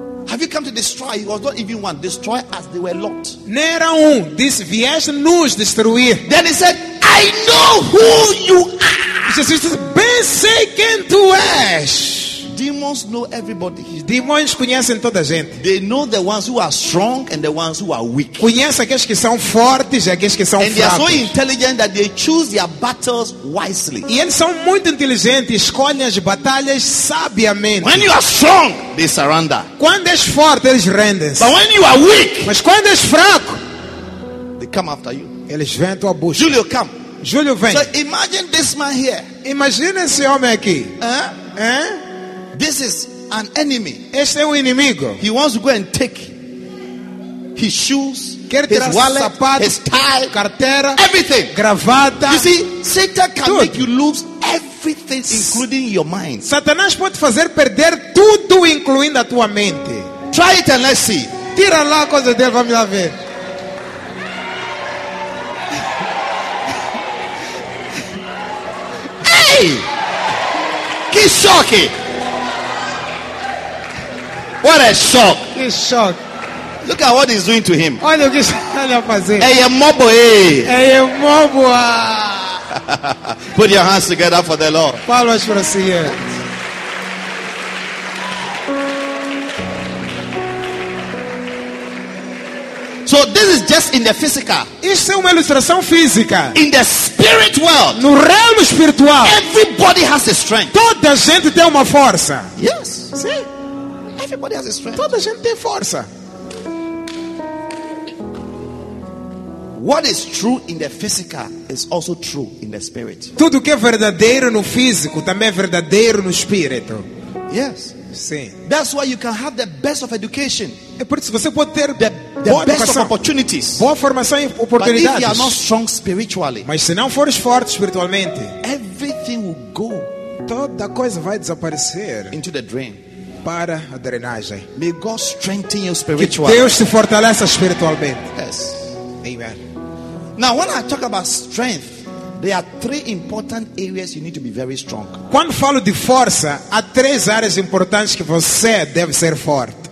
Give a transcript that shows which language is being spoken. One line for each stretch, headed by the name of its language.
English: Have you come to destroy? He was not even one. Destroy as they were locked.
Portuguese: Nera um. This vieste nos destruir.
English: Then he said, I know who you are.
Portuguese: Jesus disse, bem sei quem tu és.
English: Demons know everybody.
Portuguese: Demônios conhecem toda a gente.
English: They know the ones who are strong and the ones who are weak.
Portuguese: Conhecem aqueles que são fortes e aqueles que são fracos.
English: And they are so intelligent that they choose their battles wisely.
Portuguese: E eles são muito inteligentes, escolhem as batalhas sabiamente.
English: When you are strong, they surrender.
Portuguese: Quando és forte, eles rendem-se.
English: But when you are weak,
Portuguese: mas quando és fraco,
English: they come after you.
Portuguese: Eles vêm tua busca.
English: Julio, come.
Portuguese: Julio, vem.
English: So imagine this man here.
Portuguese: Imagine esse homem aqui.
English: This is an enemy.
Portuguese: Este é inimigo.
English: He wants to go and take his shoes,
Portuguese: quer
English: his wallet,
Portuguese: sapato,
English: his tie,
Portuguese: carteira,
English: everything,
Portuguese: gravata.
English: You see, Satan can tudo. Make you lose everything, including your mind.
Portuguese: Satanás pode fazer perder tudo, incluindo a tua mente.
English: Try it and let's see.
Portuguese: Tira lá a coisa dele, vamos lá ver. Hey! Que choque!
English: What a shock! He's shocked. Look at what he's doing to him.
Portuguese: Olha o que está a fazer.
English: Hey, mobile. Hey, mobile. Put your hands together for the Lord.
Portuguese: Palmas para o Senhor.
English: So this is just in the physical.
Portuguese: Isso é uma ilustração física.
English: In the spirit world.
Portuguese: No reino espiritual.
English: Everybody has a strength.
Portuguese: Toda gente tem uma força.
English: Yes.
Portuguese: Sim.
English: Everybody has a strength.
Portuguese: Toda gente tem força.
English: What is true in the physical is also true in the spirit.
Portuguese: Tudo que é verdadeiro no físico também é verdadeiro no espírito.
English: Yes.
Portuguese: Sim.
English: That's why you can have the best of education.
Portuguese: É por isso você pode ter
English: the
Portuguese: boa
English: best of opportunities.
Portuguese: Boa formação e oportunidades.
English: But if you are not strong spiritually,
Portuguese: mas se não fores forte espiritualmente,
English: everything will go.
Portuguese: Toda coisa vai desaparecer.
English: Into the drain.
Portuguese: Para a drenagem.
English: May God strengthen you spiritually.
Portuguese: Que Deus te fortaleça espiritualmente.
English: Yes. Amen. Now, when I talk about strength, there are three important areas you need to be very strong.
Portuguese: Quando falo de força, há três áreas importantes que você deve ser forte.